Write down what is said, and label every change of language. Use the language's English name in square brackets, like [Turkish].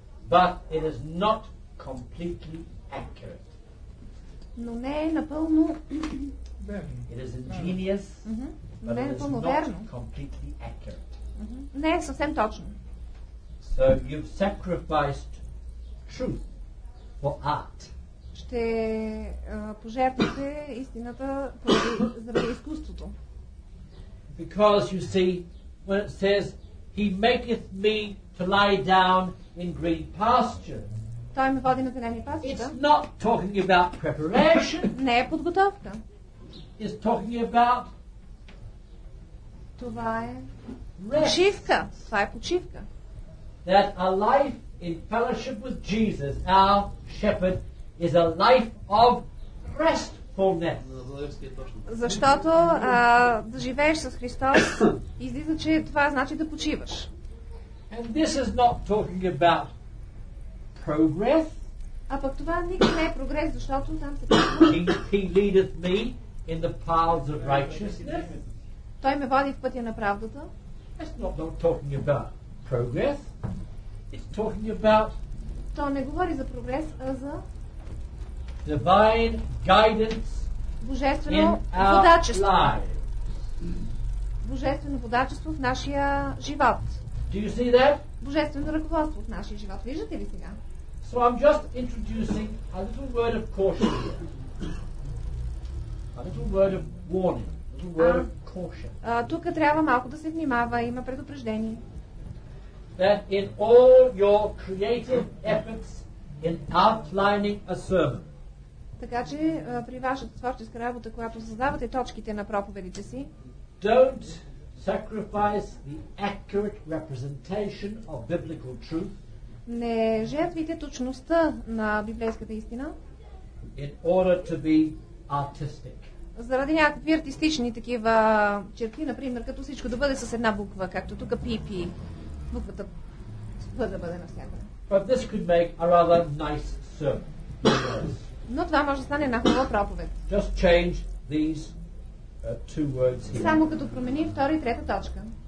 [English] But it is not completely accurate. [Bulgarian] Но не е напълно [English] It is ingenious, but [Bulgarian] не е напълно верно. [English] Completely accurate. [Bulgarian] Mm-hmm. Не е съвсем точно. [English] So you've sacrificed truth for art. [Bulgarian] Ще пожертвате истината поради, заради изкуството. [English] Because you see, when it says he maketh me to lie down in green pasture. [Bulgarian] Той ме води на зелени пасища. [English] It's not talking about preparation. [Bulgarian] Не е подготовка. [English] It's talking about [Bulgarian] това е [English] rest. [Bulgarian] Почивка. Това е почивка. [English] That a life in fellowship with Jesus, our shepherd, is a life of restfulness. [Bulgarian] Защото да живееш с Христос излиза, че това значи да почиваш. [English] And this is not talking about progress. [Bulgarian] А пък това никак не е прогрес, защото там се казва. [English] He leadeth me in the paths of righteousness. [Bulgarian] Той ме води в пътя на правдата. [English] It's not talking about progress. It's talking about. [Bulgarian] То не говори за прогрес, а за [English] divine guidance. [Bulgarian] Божествено водачество. Божествено водачество в нашия живот. [English] Do you see that? [Bulgarian] Божествено ръководство в нашия живот. Виждате ли сега? [English] So I'm just introducing a little word of caution here. A little word of warning. A little word of caution. [Bulgarian] Тук трябва малко да се внимава. Има предупреждение. [English] That in all your creative efforts in outlining a sermon. [Bulgarian] Така че при вашата творческа работа, когато създавате точките на проповедите си, [English] don't sacrifice the accurate representation of biblical truth. [Bulgarian] Не жертвите точността на библейската истина. [English] In order to be artistic. [Bulgarian] Заради някакви артистични такива черти, например, като всичко да бъде с една буква, както тук PP, буквата да бъде навсякъде. [English] But this could make a rather nice sermon. [Bulgarian] Но това може да стане една хубава проповед. [English] Just change these two words here. [Bulgarian] Само като промени втора и трета точка.